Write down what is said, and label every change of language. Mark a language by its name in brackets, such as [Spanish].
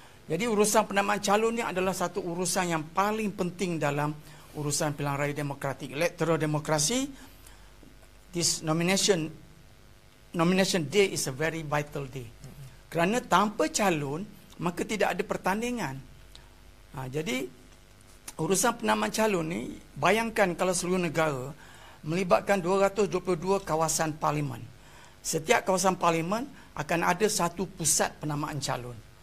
[Malay] Jadi urusan penamaan calon ini adalah satu urusan yang paling penting dalam urusan pilihan raya demokratik. [English] Electoral democracy, this nomination day is a very vital day. [Malay] Kerana tanpa calon, maka tidak ada pertandingan. Jadi urusan penamaan calon ini, bayangkan kalau seluruh negara melibatkan 222 kawasan parlimen. Setiap kawasan parlimen akan ada satu pusat penamaan calon.